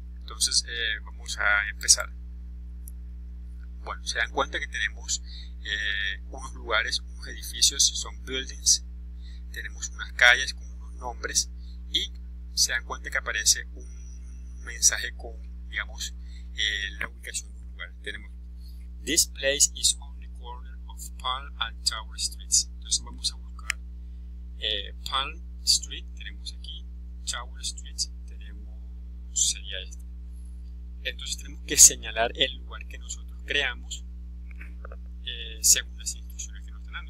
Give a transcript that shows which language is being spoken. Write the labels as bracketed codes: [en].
[es] Entonces, vamos a empezar. Bueno, se dan cuenta que tenemos unos lugares, unos edificios, son buildings, tenemos unas calles con unos nombres, y se dan cuenta que aparece un mensaje con, digamos, la ubicación de un lugar. Tenemos: [en] This place is on the corner of Palm and Tower Streets. [es] Entonces vamos a buscar Palm Street, tenemos aquí Tower Streets, tenemos, sería este. Entonces tenemos que señalar el lugar que nosotros creamos según las instrucciones que nos están dando.